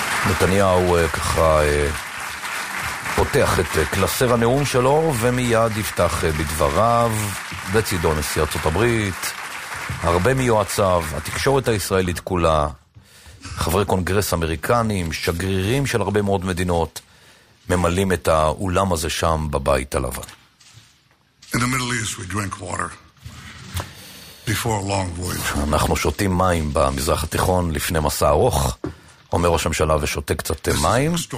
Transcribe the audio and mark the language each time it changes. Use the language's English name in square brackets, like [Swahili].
[Hebrew] נתניהו ככה פותח את קלסר הנאום שלו ומיד יפתח בדבריו, בצידו נשיא ארצות הברית, הרבה מיועציו, התקשורת הישראלית כולה, חברי קונגרס אמריקנים, שגרירים של הרבה מאוד מדינות, ממלאים את האולם הזה שם בבית הלבן. [English] In the Middle East we drink water before a long voyage. [Hebrew] אנחנו שותים מים במזרח התיכון לפני מסע ארוך, אומר ראש הממשלה ושותה קצת מים.